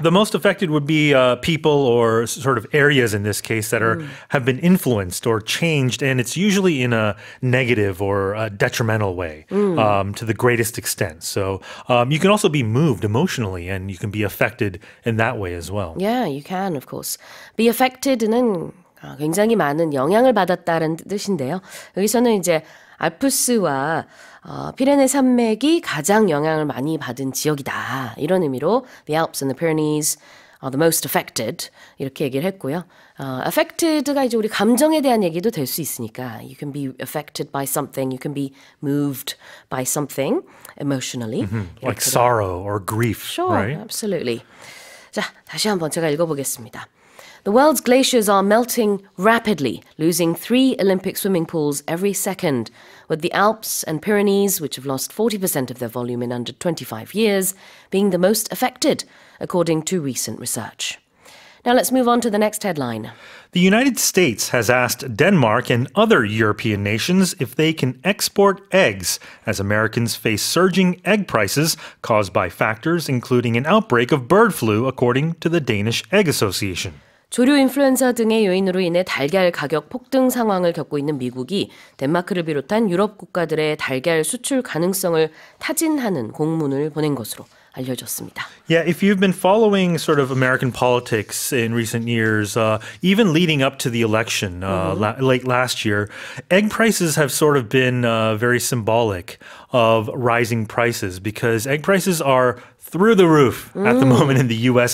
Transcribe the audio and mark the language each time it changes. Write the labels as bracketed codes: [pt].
[en] The most affected would be people or sort of areas in this case that are have been influenced or changed, and it's usually in a negative or a detrimental way to the greatest extent. So you can also be moved emotionally, and you can be affected in that way as well. Yeah, you can, of course. [ko] Be affected는 굉장히 많은 영향을 받았다는 뜻인데요. 여기서는 이제 알프스와 피레네 산맥이 가장 영향을 많이 받은 지역이다. 이런 의미로 [en] The Alps and the Pyrenees are the most affected. [ko] 이렇게 얘기를 했고요. Affected가 이제 우리 감정에 대한 얘기도 될 수 있으니까 [en] You can be affected by something. You can be moved by something emotionally. Like sorrow or grief. Sure, right? Absolutely. [ko] 자, 다시 한번 제가 읽어보겠습니다. [en] The world's glaciers are melting rapidly, losing 3 Olympic swimming pools every second, with the Alps and Pyrenees, which have lost 40% of their volume in under 25 years, being the most affected, according to recent research. Now let's move on to the next headline. The United States has asked Denmark and other European nations if they can export eggs as Americans face surging egg prices caused by factors including an outbreak of bird flu, according to the Danish Egg Association. [ko] 조류 인플루엔자 등의 요인으로 인해 달걀 가격 폭등 상황을 겪고 있는 미국이 덴마크를 비롯한 유럽 국가들의 달걀 수출 가능성을 타진하는 공문을 보낸 것으로 알려졌습니다. [en] Yeah, if you've been following sort of American politics in recent years, even leading up to the election late last year, egg prices have sort of been very symbolic of rising prices because egg prices are through the roof at the moment in the U.S.